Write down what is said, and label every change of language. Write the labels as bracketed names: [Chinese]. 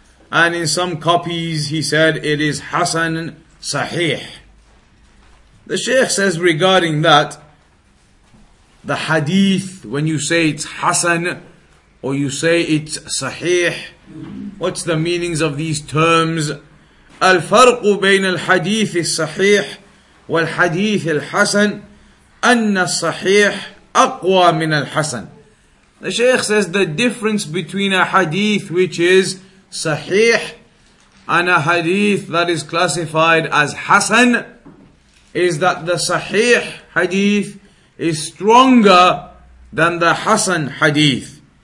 [English] And in some copies he said it is hasan sahih. The Shaykh says regarding that, the hadith, when you say it's hasan or you say it's sahih, what's the meanings of these terms? [Arabic] الفرق بين الحديث الصحيح والحديث الحسن أن الصحيح أقوى من الحسن. [English] The Shaykh says the difference between a hadith which is sahih and a hadith that is classified as hasan is that the sahih hadith is stronger than the hasan hadith.